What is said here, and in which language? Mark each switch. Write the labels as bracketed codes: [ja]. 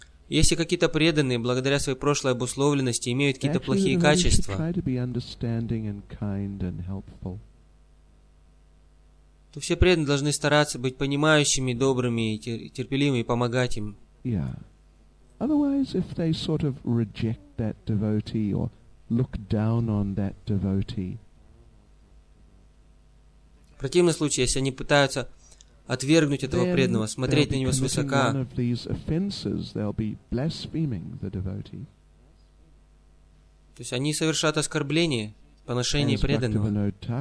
[ru] Если какие-то преданные, благодаря своей прошлой обусловленности, имеют какие-то плохие качества, то все преданные должны стараться быть понимающими, добрыми, терпеливыми и помогать им. Yeah. [en] Otherwise, if they sort of reject that devotee or look down on that devotee. [ru] В противном случае, если они пытаются отвергнуть этого преданного, смотреть на него свысока, то есть они совершат оскорбление в отношении преданного.